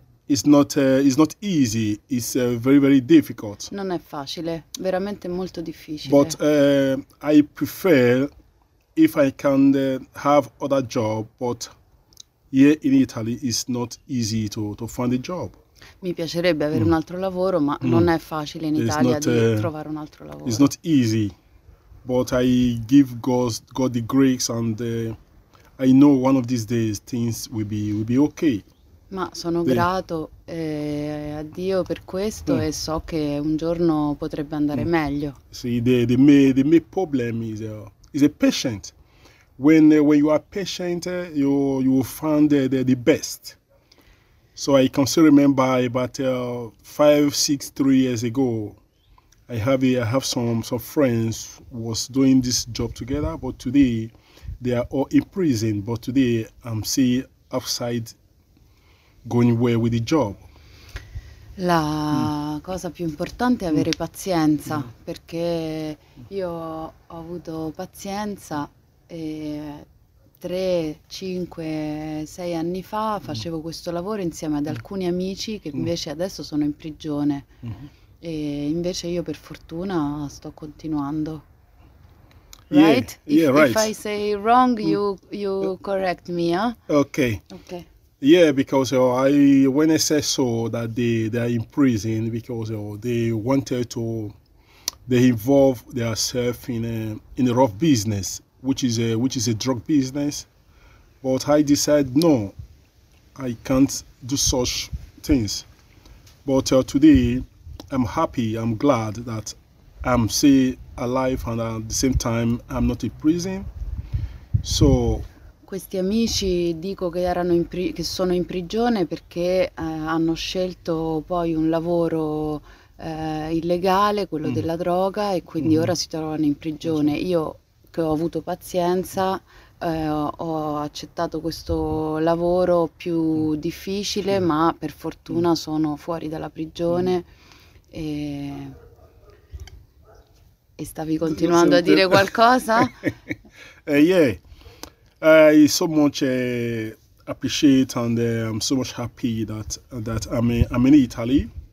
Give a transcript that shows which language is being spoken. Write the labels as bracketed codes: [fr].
[en] It's not easy. It's very very difficult. [it] Non è facile, veramente molto difficile. [en] But I prefer if I can have other job, but here in Italy it's not easy to find a job. [it] Mi piacerebbe avere un altro lavoro, ma non è facile in Italia trovare un altro lavoro. [en] It's not easy, but I give God the grace, and I know one of these days things will be okay. [it] Ma sono grato a Dio per questo e so che un giorno potrebbe andare meglio. [en] See, the main problem is a patient. When you are patient, you will find the best. So I can still remember about 5, 6, 3 years ago, I have some friends was doing this job together, but today they are all in prison. But today I'm see outside. Going well with the job. [it] La cosa più importante è avere pazienza, perché io ho avuto pazienza e 3, 5, 6 anni fa facevo questo lavoro insieme ad alcuni amici che invece adesso sono in prigione e invece io per fortuna sto continuando. [en] Right? Yeah, right. If I say wrong, you correct me, huh? Okay. Okay. Yeah, because when I say so that they are in prison because they wanted to they involve themselves in a rough business, which is a drug business, but I decided no, I can't do such things. But today I'm happy, I'm glad that I'm still alive and at the same time I'm not in prison, so. [it] Questi amici dico che erano che sono in prigione perché hanno scelto poi un lavoro illegale, quello della droga, e quindi ora si trovano in prigione. Io che ho avuto pazienza ho accettato questo lavoro più difficile, ma per fortuna sono fuori dalla prigione e stavi continuando a dire qualcosa? [en] yeah. I so much appreciate and I'm so much happy that I'm in Italy.